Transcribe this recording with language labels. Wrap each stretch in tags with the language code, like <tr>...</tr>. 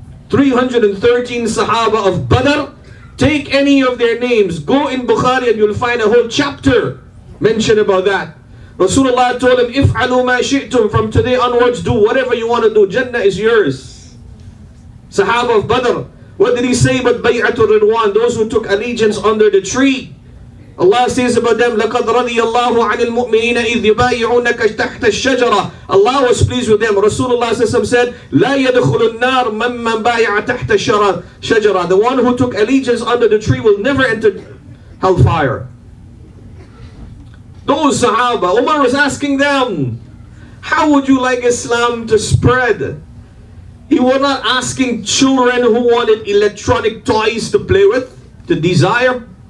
<en>313 Sahaba of Badr, take any of their names, go in Bukhari and you'll find a whole chapter mentioned about that. Rasulullah told him,</en> <ar>if'alu ma shi'tum,</ar> <en>from today onwards do whatever you want to do, Jannah is yours. Sahaba of Badr, what did he say about Bay'atul Ridwan, those who took allegiance under the tree? Allah says about them,</en> <ar>لَقَدْ رَضِيَ اللَّهُ عَنِ الْمُؤْمِنِينَ إِذْ يُبَايِعُونَكَ تَحْتَ الشَّجَرَةِ.</ar> <en>Allah was pleased with them. Rasulullah said,</en> <ar>لَا يَدْخُلُ النَّارِ مَمَّنْ بَايَعَ تَحْتَ الشَّجَرَةِ.</ar> <en>The one who took allegiance under the tree will never enter hellfire. Those Sahaba, Umar was asking them, how would you like Islam to spread? He was not asking children who wanted electronic toys to play with, to desire.</en>